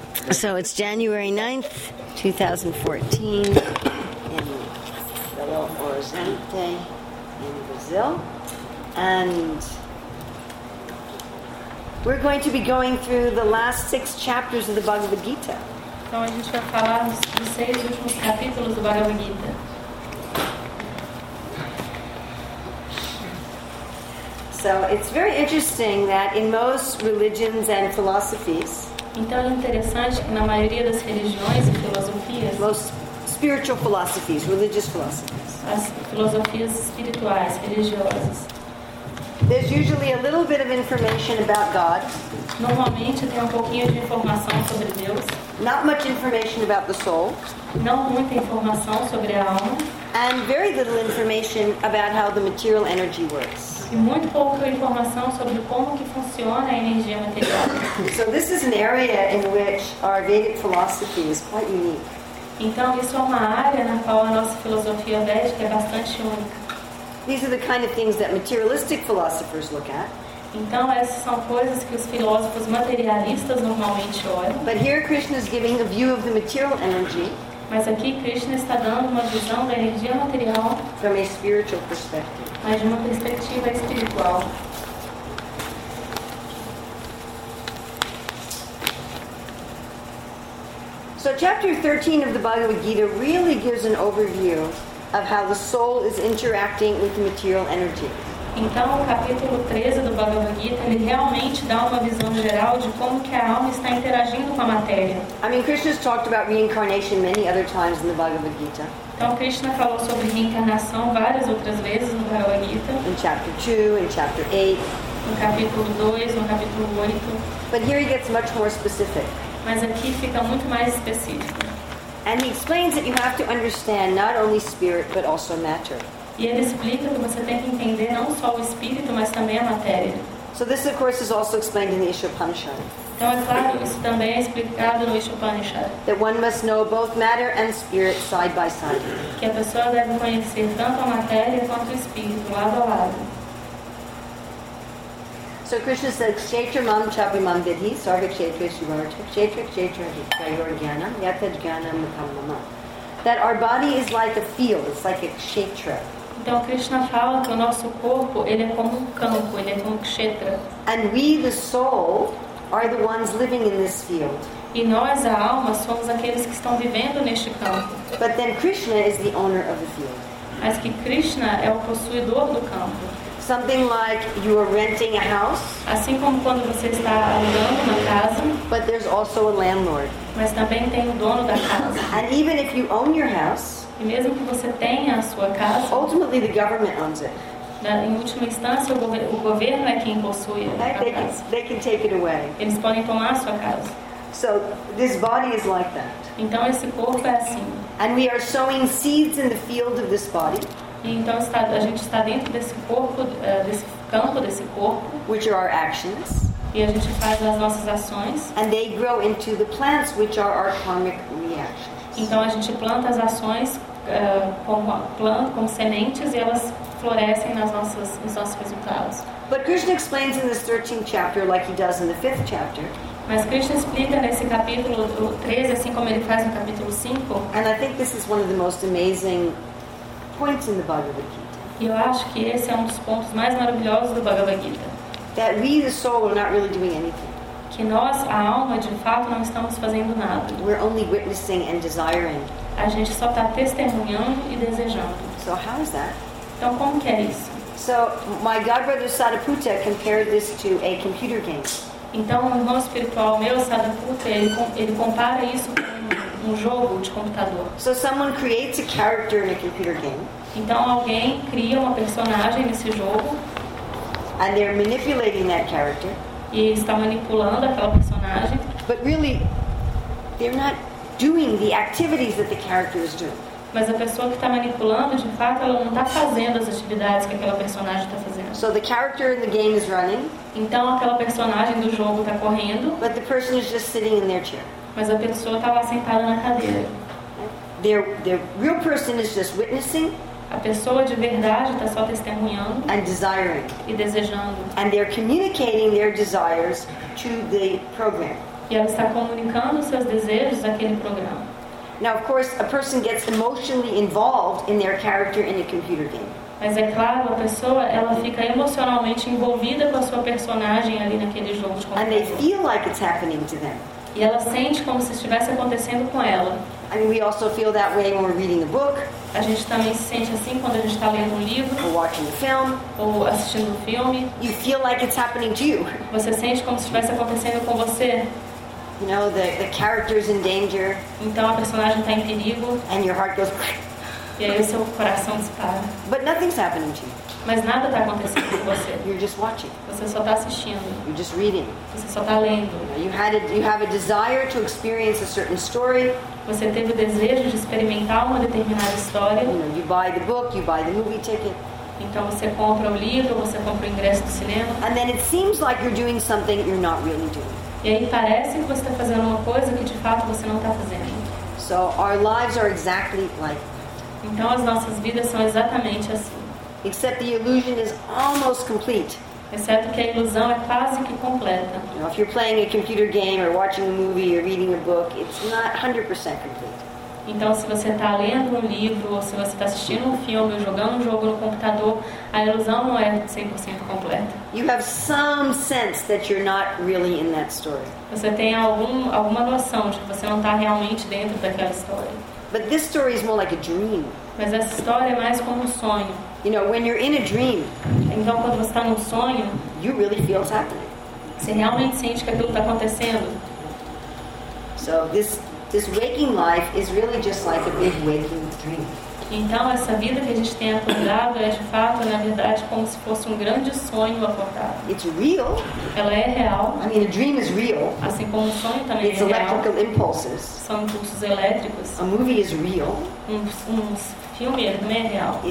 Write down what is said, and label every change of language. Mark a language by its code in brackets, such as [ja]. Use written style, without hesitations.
[en] So it's January 9th, 2014, in Belo Horizonte, in Brazil. And we're going to be going through the last six chapters of the Bhagavad Gita. [pt] Então a gente vai falar dos seis últimos capítulos do Bhagavad Gita. [en] So it's very interesting that in most religions and philosophies, [pt] então é interessante que na maioria das religiões e filosofias, [en] most spiritual philosophies, religious philosophies, [pt] as filosofias espirituais, religiosas, [en] there's usually a little bit of information about God. [pt] Normalmente tem um pouquinho de informação sobre Deus. [en] Not much information about the soul. [pt] Não muita informação sobre a alma. [en] And very little information about how the material energy works. [pt] E muito pouca informação sobre como que funciona a energia material. [en] So this is an area in which our Vedic philosophy is quite unique. [pt] Então isso é uma área na qual a nossa filosofia védica é bastante única. [en] These are the kind of things that materialistic philosophers look at. [pt] Então, essas são coisas que os filósofos materialistas normalmente olham. [en] But here Krishna is giving a view of the material energy. [pt] Mas aqui Krishna está dando uma visão da energia material. [en] From a spiritual perspective. [pt] Mas de uma perspectiva espiritual. [en] So chapter 13 of the Bhagavad Gita really gives an overview of how the soul is interacting with the material energy. [pt] Então, o capítulo 13 do Bhagavad Gita, ele realmente dá uma visão geral de como que a alma está interagindo com a matéria. [en] I mean, Krishna's talked about reincarnation many other times in the Bhagavad Gita. [pt] Então, Krishna falou sobre reencarnação várias outras vezes no Bhagavad Gita. [en] In chapter 2, in chapter 8. [pt] No capítulo 2, no capítulo 8. [en] But here he gets much more specific. [pt] Mas aqui fica muito mais específico. [en] And he explains that you have to understand not only spirit but also matter. [pt] E ele explica que você tem que entender não só o espírito, mas também a matéria. [en] So this of course is also explained in the Ishopanishad. [pt] Então é claro, isso também é explicado no Ishopanishad. [en] That one must know both matter and spirit side by side. [pt] Que a pessoa deve conhecer tanto a matéria quanto o espírito, lado a lado. [sa] So Krishna said, Kshetra Mam Chabri Mam Vidhi, Sarva Kshetra Shivarta, Kshetra Kshetra Jayor Jnana, Yata Jnana Mukham Mama. [en] That our body is like a field, it's like a Kshetra. [pt] Então Krishna fala que o nosso corpo, ele é como campo, ele é como Kshetra. [en] And we, the soul, are the ones living in this field. [pt] E nós, a alma, somos aqueles que estão vivendo neste campo. [en] But then Krishna is the owner of the field. [pt] Mas que Krishna é o possuidor do campo. [en] Something like you are renting a house. [pt] Assim como quando você está alugando uma casa. [en] But there's also a landlord. [pt] Mas também tem o dono da casa. [en] And even if you own your house. [pt] E mesmo que você tenha a sua casa. [en] Ultimately, the government owns it. [pt] Em última instância, o governo é quem possui a casa. [en] They can take it away. [pt] Eles podem tomar a sua casa. [en] So this body is like that. [pt] Então esse corpo é assim. [en] And we are sowing seeds in the field of this body. [pt] Então está, a gente está dentro desse corpo, desse campo, desse corpo. [en] Which are our actions. [pt] E a gente faz as nossas ações. [en] And they grow into the plants, which are our karmic reactions. [pt] Então a gente planta as ações como sementes e elas florescem nos nossos resultados. [en] But Krishna explains in this 13th chapter, like he does in the 5th chapter. [pt] Mas Krishna explica nesse capítulo 13, assim como ele faz no capítulo 5. [en] And I think this is one of the most amazing points in the Bhagavad Gita. [pt] Eu acho que esse é um dos pontos mais maravilhosos do Bhagavad Gita. [en] That we, the soul, are not really doing anything. [pt] Que nós, a alma, de fato, não estamos fazendo nada. [en] We're only witnessing and desiring. [pt] A gente só está testemunhando e desejando. [en] So how is that? [pt] Então como que é isso? [en] So my godbrother Sariputta compared this to a computer game. [pt] Então o irmão espiritual meu Sariputta ele compara isso com um jogo de computador. [en] So someone creates a character in a computer game. [pt] Então alguém cria uma personagem nesse jogo. [en] And they're manipulating that character. [pt] E está manipulando aquela personagem. [en] But really, they're not doing the activities that the character is doing. [pt] Mas a pessoa que está manipulando, de fato, ela não está fazendo as atividades que aquela personagem está fazendo. [en] So the character in the game is running. [pt] Então aquela personagem do jogo está correndo. [en] But the person is just sitting in their chair. [pt] Mas a pessoa estava sentada na cadeira. [en] The real person is just witnessing. [pt] A pessoa de verdade está só testemunhando [en] and desiring. [pt] E desejando. [en] And they're communicating their desires to the program. [pt] E ela está comunicando seus desejos àquele programa. [en] Now, of course, a person gets emotionally involved in their character in a computer game. [pt] Mas é claro, a pessoa ela fica emocionalmente envolvida com a sua personagem ali naquele jogo de computador. [en] And they feel like it's happening to them. [pt] E ela sente como se estivesse acontecendo com ela. [en] I mean, we also feel that way when we're reading a book. [pt] A gente também se sente assim quando a gente está lendo um livro. [en] Or watching a film. [pt] Ou assistindo um filme. [en] You feel like it's happening to you. [pt] Você sente como se estivesse acontecendo com você. [en] You know, the character's in danger. [pt] Então a personagem está em perigo. [en] And your heart goes. [pt] E aí o seu coração dispara. [en] But nothing's happening to you. [pt] Mas nada está acontecendo com você. [en] You're just watching. [pt] Você só está assistindo. [en] You're just reading. [pt] Você só está lendo. [en] You have a desire to experience a certain story. [pt] Você teve o desejo de experimentar uma determinada história. [en] You know, you buy the book, you buy the movie ticket. [pt] Então você compra o livro, você compra o ingresso do cinema. [en] And then it seems like you're doing something you're not really doing. [pt] E aí parece que você está fazendo uma coisa que de fato você não está fazendo. [en] So our lives are exactly like. [pt] Então as nossas vidas são exatamente assim. [en] Except the illusion is almost complete. [pt] Exceto que a ilusão é quase que completa. [en] You know, if you're playing a computer game or watching a movie or reading a book, it's not 100% complete. [pt] Então se você está lendo um livro ou se você está assistindo um filme ou jogando um jogo no computador, a ilusão não é 100% completa. [en] You have some sense that you're not really in that story. [pt] Você tem alguma noção de que você não está realmente dentro daquela história. [en] But this story is more like a dream. [pt] Mas essa história é mais como um sonho. [en] You know, when you're in a dream, [pt] então quando você está num sonho, [en] you really feel it's happening. [pt] Você realmente sente que aquilo está acontecendo. [en] So this waking life is really just like a big waking dream. [pt] Então essa vida que a gente tem acordado é de fato, na verdade, como se fosse um grande sonho acordado. [en] It's real. [pt] Ela é real. [en] I mean, a dream is real. [pt] Assim como um sonho também [en] it's [pt] é real. [en] It's electrical impulses. [pt] São impulsos elétricos. [en] A movie is real. [pt] Um filme também é real.